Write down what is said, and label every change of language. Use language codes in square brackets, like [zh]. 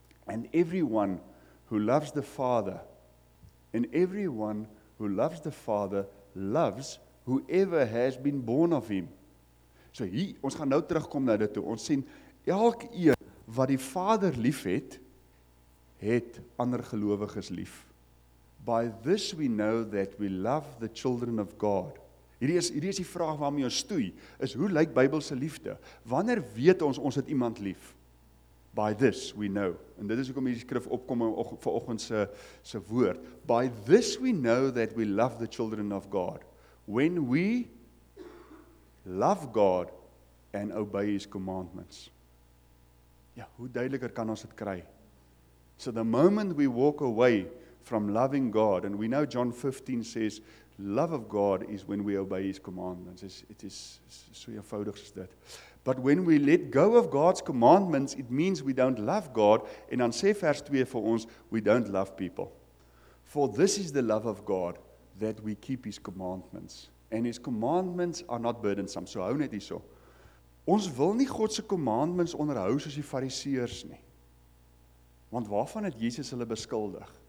[en] And everyone who loves the Father, and everyone who loves the Father loves whoever has been born of him. [af] So hier, ons gaan nou terugkom na dit toe. Ons sien elkeen wat die Vader liefhet, het ander gelowiges lief. [en] By this we know that we love the children of God. [af] Hierdie is die vraag waarmee ons stoei, is hoe lyk Bybelse liefde? Wanneer weet ons, ons het iemand lief? [en] By this we know. [af] En dit is hoekom hierdie skrif opkom vir oggend se woord. [en] By this we know that we love the children of God. When we love God and obey His commandments. [af] Ja, hoe duideliker kan ons dit kry? [en] So the moment we walk away from loving God, and we know John 15 says, love of God is when we obey His commandments. It is [af] so eenvoudig as dit. [en] But when we let go of God's commandments, it means we don't love God. [af] En dan sê vers 2 vir ons, [en] we don't love people. For this is the love of God, that we keep His commandments. And His commandments are not burdensome. [af] So hou net hierso. Ons wil nie God se commandments onderhou soos die fariseërs nie. Want waarvan het Jesus hulle beskuldig?